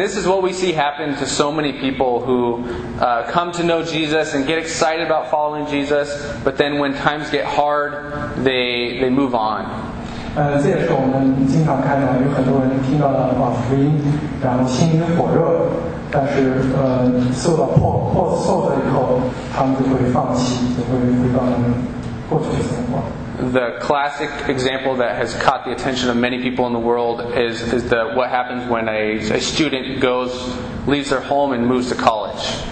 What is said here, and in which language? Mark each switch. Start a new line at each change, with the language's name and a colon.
English: this is what we see happen to so many people who come to know Jesus and get excited about following Jesus, but then when times get hard, they move on.
Chinese: 这也是我们经常看到有很多人听到了福音，然后心里火热，但是受到迫受了以后，他们就会放弃，就会回到过去的生活。
English: the classic example that has caught the attention of many people in the world is the what happens when a student goes leaves their home and moves to college.